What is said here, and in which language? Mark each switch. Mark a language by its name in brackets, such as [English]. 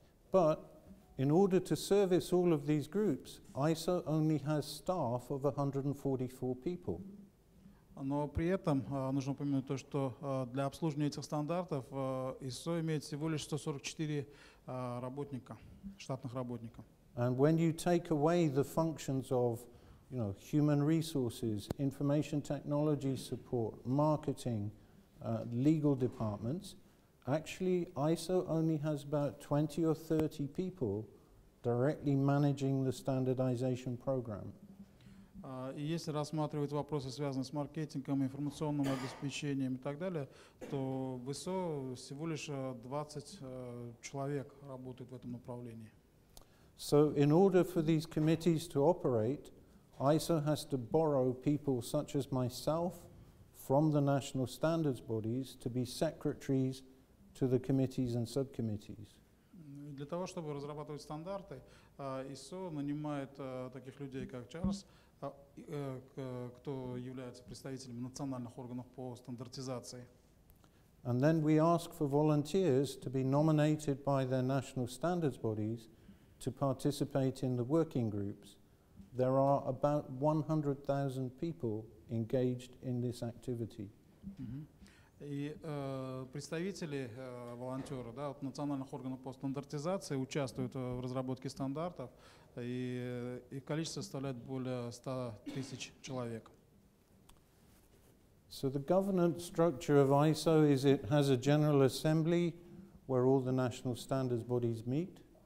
[English] But in order to service all of these groups, ISO only has staff of 144 people. [Russian] Но при этом нужно упомянуть то, что для обслуживания этих стандартов ISO имеет всего лишь 144 работника, штатных работника. [English] And when you take away the functions of, you know, human resources, information technology support, marketing, legal departments, actually ISO only has about 20 or 30 people directly managing the standardization program. [Russian] И если рассматривать вопросы, связанные с маркетингом, информационным обеспечением и так далее, то в ISO всего лишь 20 человек работают в этом направлении. [English] So in order for these committees to operate, ISO has to borrow people such as myself from the national standards bodies to be secretaries to the committees and subcommittees. [Russian] Для того, чтобы разрабатывать стандарты, ISO нанимает таких людей, как Чарльз, кто является представителем национальных органов по стандартизации. [English] And then we ask for volunteers to be nominated by their national standards bodies to participate in the working groups. There are about 100,000 people engaged in this activity. [Russian] И представители волонтеры, да, от национальных органов по стандартизации участвуют в разработке стандартов, и их количество составляет более 100 тысяч человек. [English] So the governance structure of ISO is it has a general assembly where all the national standards bodies meet.